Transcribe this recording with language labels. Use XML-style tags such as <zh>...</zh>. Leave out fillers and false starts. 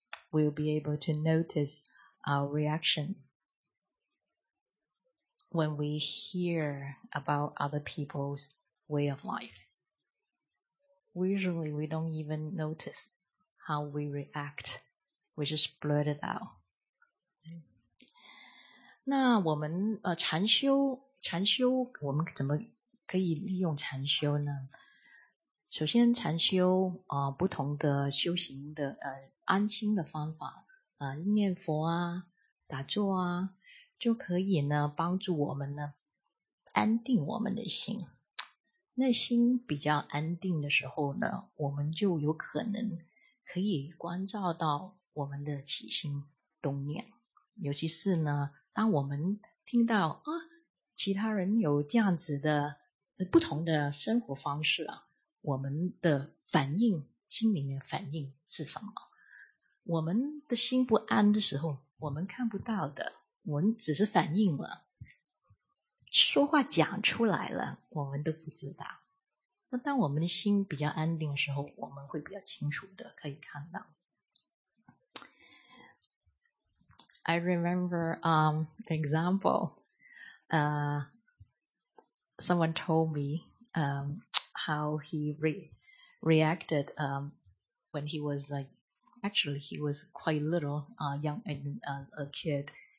<en>We'll be able to notice our reaction when we hear about other people's way of life. Usually, we don't even notice how we react. We just blurt it out.</en> <zh>那我们禅修我们怎么可以利用禅修呢？首先禅修、不同的修行的、安心的方法、念佛啊打坐啊就可以呢帮助我们呢安定我们的心，那心比较安定的时候呢，我们就有可能可以关照到我们的起心动念，尤其是呢当我们听到啊，其他人有这样子的不同的生活方式啊，我们的反应，心里面反应是什么？我们的心不安的时候，我们看不到的，我们只是反应了，说话讲出来了，我们都不知道。那当我们的心比较安定的时候，我们会比较清楚的可以看到。</zh> <en>I remember the example, someone told me how he reacted when he was like, actually he was quite little, young and a kid.</en>